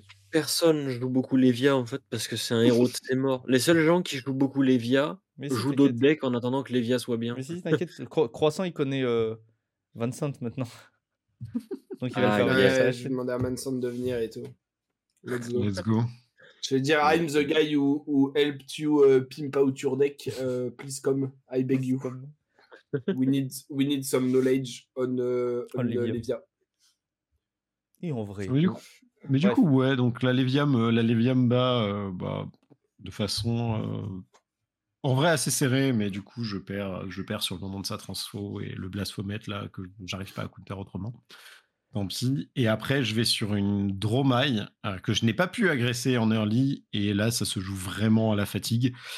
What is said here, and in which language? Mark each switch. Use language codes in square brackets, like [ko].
[fr] Personne ne joue beaucoup Lévia, en fait, parce que c'est un héros de ses morts. Les seuls gens qui jouent beaucoup Lévia jouent d'autres decks en attendant que Lévia soit bien. Mais si, t'inquiète, Croissant, il connaît Vincent maintenant. Donc il va faire bien. Je vais demander à Manson de venir et tout. [en] Let's go. [fr] Je vais dire, [en] I'm the guy who helped you pimp out your deck. Please come, I beg you. We need some knowledge on Lévia. [fr] Et en vrai. Donc la Lévia me bat de façon en vrai assez serrée, mais du coup je perds sur le moment de sa transfo et le Blasphomet là que j'arrive pas à counter autrement. Tant pis. Et après je vais sur une Dromaï que je n'ai pas pu agresser en early, et là ça se joue vraiment à la fatigue.